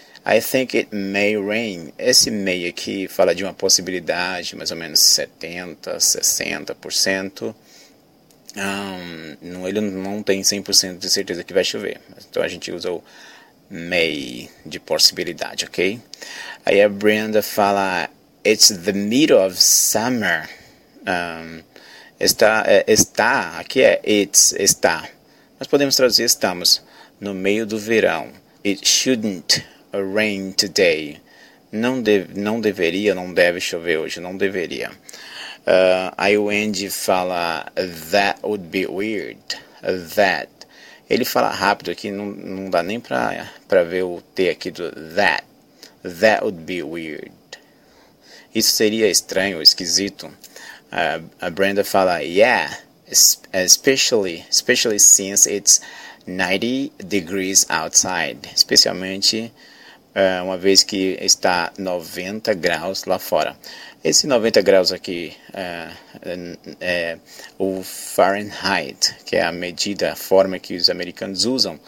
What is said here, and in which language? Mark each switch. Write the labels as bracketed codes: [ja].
[en] I think it may rain, [pt] esse may aqui fala de uma possibilidade, mais ou menos 70, 60%. Ele não tem 100% de certeza que vai chover, então a gente usa o May, de possibilidade, ok? Aí a Brenda fala, [en] it's the middle of summer. [pt] Está, aqui é it's, está. Nós podemos traduzir estamos no meio do verão. [en] It shouldn't rain today. [pt] Não deve chover hoje, não deveria. Aí o Andy fala, [en] that would be weird, that. [pt] Ele fala rápido aqui, não dá nem pra ver o T aqui do that. [en] That would be weird. [pt] Isso seria estranho, esquisito. A Brenda fala, [en] yeah, especially since it's 90 degrees outside. [pt] Especialmente uma vez que está 90 graus lá fora. Esse 90 graus aqui é o Fahrenheit, que é a medida, a forma que os americanos usam.